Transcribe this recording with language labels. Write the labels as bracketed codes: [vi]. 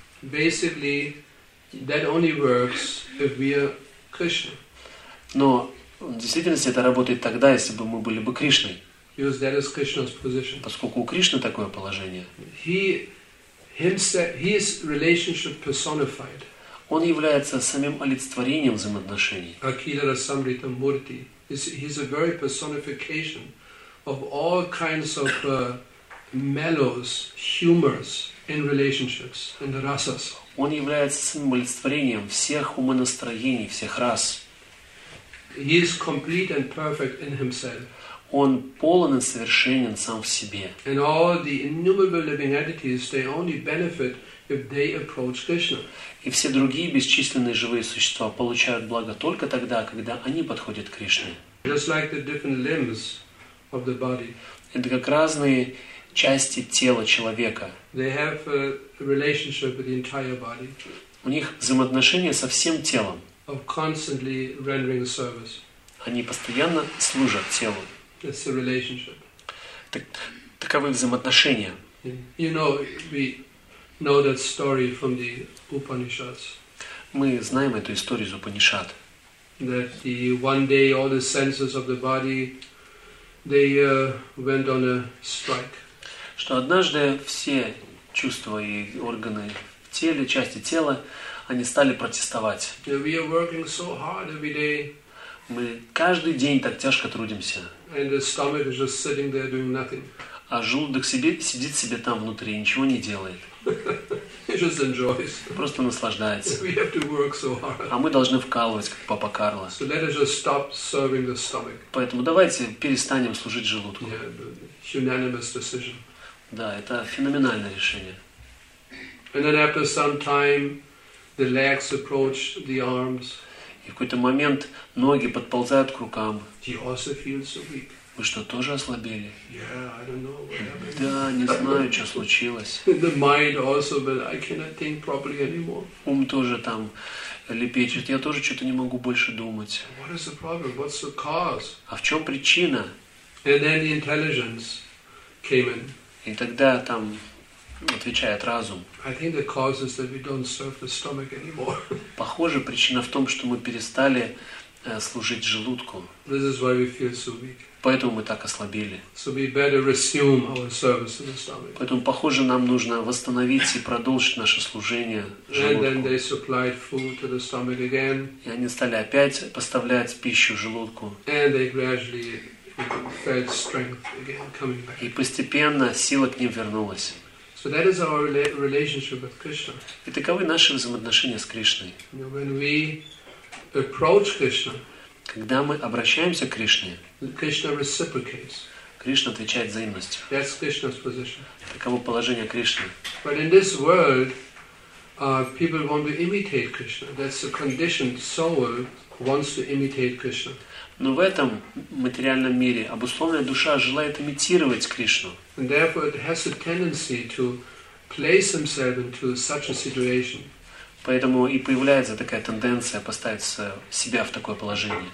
[en] Basically, that only works if we are Krishna. [ru] Но в действительности это работает тогда, если бы мы были бы Кришной. [en] Because that is Krishna's position. [ru] Поскольку у Кришны такое положение. [en] He is relationship personified. [ru] Он является самим олицетворением взаимоотношений. [en] Akhila Rasamrita Murti. He's a very personification of all kinds of mellows, humors in relationships, in the rasas. [ru] Он является олицетворением всех умонастроений, всех рас. [en] He is complete and perfect in himself. [ru] Он полон и совершенен сам в себе. [en] And all the innumerable living entities, they only benefit if they approach Krishna. [ru] И все другие бесчисленные живые существа получают благо только тогда, когда они подходят к Кришне. [en] Just like the different limbs of the body. [ru] Это как разные части тела человека. [en] They have a relationship with the entire body. [ru] У них взаимоотношения со всем телом. [en] Of constantly rendering service. [ru] Они постоянно служат телу. [en] It's a relationship. [ru] Таковы взаимоотношения. [en] You know, we know that story from the Upanishads. [ru] Мы знаем эту историю из Упанишад. [en] That the one day all the senses of the body, they went on a strike. [ru] Что однажды все чувства и органы в теле, части тела, они стали протестовать. [en] We are working so hard every day. [ru] Мы каждый день так тяжко трудимся. [en] And the stomach is just sitting there doing nothing. [ru] А желудок сидит себе там внутри, ничего не делает. [en] He just enjoys. [ru] Просто наслаждается. [en] We have to work so hard. [ru] А мы должны вкалывать, как Папа Карло. [en] So let us just stop serving the stomach. [ru] Поэтому давайте перестанем служить желудку. [en] Yeah, unanimous decision. [ru] Да, это феноменальное решение. [en] And then after some time, the legs approach the arms. [ru] И в какой-то момент ноги подползают к рукам. [en] He also feels so weak. [ru] Вы что, тоже ослабели? [en] Yeah, I don't know what happened. [ru] Да, не знаю, что случилось. [en] The mind also, but I cannot think properly anymore. [ru] Ум тоже там лепечет. Я тоже что-то не могу больше думать. [en] What is the problem? What's the cause? [ru] А в чем причина? [en] And then the intelligence came in. [ru] И тогда там отвечает разум. [en] I think the cause is that we don't serve the stomach anymore. [ru] Похоже, причина в том, что мы перестали служить желудку. [en] This is why we feel so weak. [ru] Поэтому мы так ослабели. [en] So we better resume our service in the stomach. [ru] Поэтому, похоже, нам нужно восстановить и продолжить наше служение желудку. [en] And then they supplied food to the stomach again. [ru] И они стали опять поставлять пищу желудку. [en] And they gradually felt strength again coming back. [ru] И постепенно сила к ним вернулась. [en] So that is our relationship with Krishna. [ru] И таковы наши взаимоотношения с Кришной. [en] When we approach Krishna, [ru] когда мы обращаемся к Кришне, [en] Krishna reciprocates. [ru] Кришна отвечает взаимностью. [en] That's Krishna's position. [ru] Таково положение Кришны. [en] But in this world, people want to imitate Krishna. That's the condition. Soul wants to imitate Krishna. [ru] Но в этом материальном мире обусловленная душа желает имитировать Кришну. [en] And therefore, it has a tendency to place himself into such a situation. [ru] Поэтому и появляется такая тенденция поставить себя в такое положение.